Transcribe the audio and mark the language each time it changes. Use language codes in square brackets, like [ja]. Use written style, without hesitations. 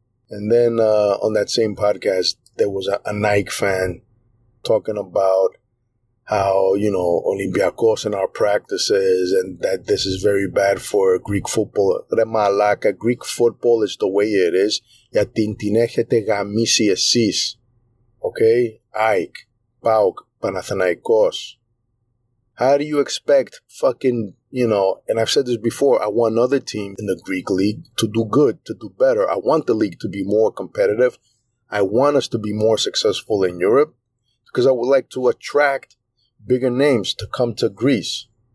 [en] And then on that same podcast, there was a Nike fan talking about how, you know, Olympiacos and our practices and that this is very bad for Greek football. [el] Re malaka, [en] Greek football is the way it is. [el] Ya την την έχετε γαμίσει εσείς. [en] Okay? Ike, Pauk, Panathinaikos. How do you expect fucking, you know, and I've said this before, I want other teams in the Greek league to do good, to do better. I want the league to be more competitive. I want us to be more successful in Europe because I would like to attract bigger names to come to Greece.